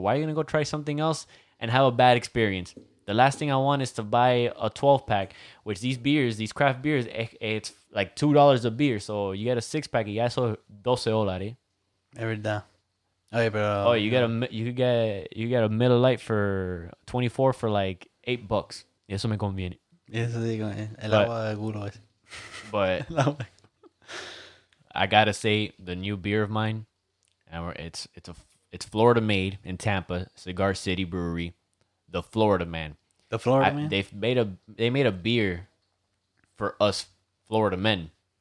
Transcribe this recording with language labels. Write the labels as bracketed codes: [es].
[en] Why are you going to go try something else and have a bad experience? The last thing I want is to buy a 12-pack, which these craft beers, it's like $2 a beer. So you get a 6-pack, you got $12. Everything. Oh, yeah, bro. Oh, you get a Miller Lite for 24 for like $8. [es] Eso me conviene. Eso digo, el agua de culo es. [en] But... I gotta say, the new beer of mine, it's Florida made in Tampa, Cigar City Brewery, the Florida Man. The Florida Man. They made a beer for us Florida men.